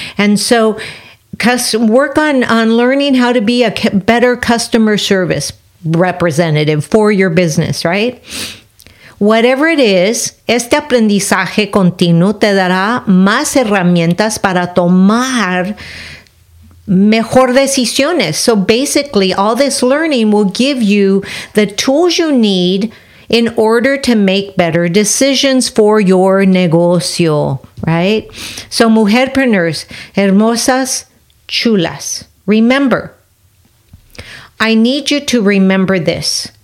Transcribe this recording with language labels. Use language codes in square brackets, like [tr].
[en] And so, work on learning how to be a better customer service representative for your business, right? Whatever it is, [es] este aprendizaje continuo te dará más herramientas para tomar mejor decisiones. [en] So basically, all this learning will give you the tools you need in order to make better decisions for your negocio, right? So mujerpreneurs, [es] hermosas, chulas, [en] remember, I need you to remember this.